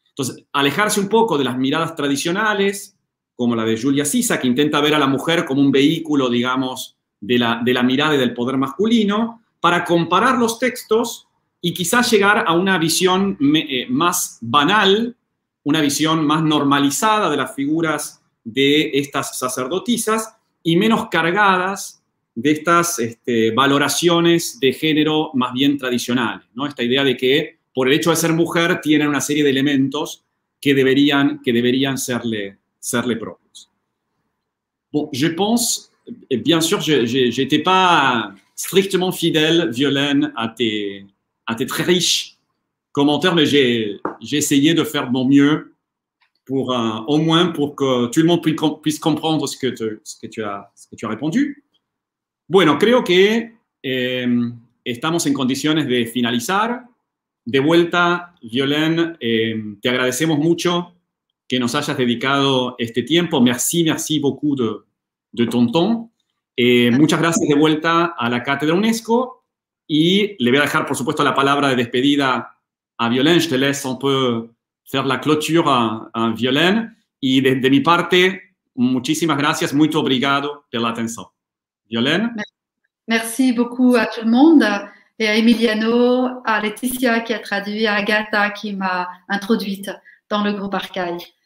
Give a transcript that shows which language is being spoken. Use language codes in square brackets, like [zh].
[es] Entonces, alejarse un poco de las miradas tradicionales, como la de Julia Sissa, que intenta ver a la mujer como un vehículo, digamos, de la mirada y del poder masculino, para comparar los textos y quizás llegar a una visión más banal, una visión más normalizada de las figuras de estas sacerdotisas y menos cargadas de estas valoraciones de género más bien tradicionales, ¿no? Esta idea de que por el hecho de ser mujer tienen una serie de elementos que deberían serle propios. [fr] Bon, je pense. Et bien sûr, je n'étais pas strictement fidèle, Violaine, à tes très riches commentaires, mais j'ai essayé de faire de mon mieux pour que tout le monde puisse comprendre ce que tu as répondu. [es] Bueno, creo que estamos en condiciones de finalizar. De vuelta, Violaine, te agradecemos mucho que nos hayas dedicado este tiempo. [fr] Merci beaucoup de ton temps. [es] Muchas gracias de vuelta a la Cátedra UNESCO y le voy a dejar, por supuesto, la palabra de despedida a Violaine. [fr] Je te laisse un peu faire la clôture à Violaine. [es] Y de mi parte, muchísimas gracias, [pt] muito obrigado pela atenção. Violaine. [fr] Merci beaucoup à tout le monde et à Emiliano, à Laetitia qui a traduit, à Agatha qui m'a introduite dans le groupe Arcaï.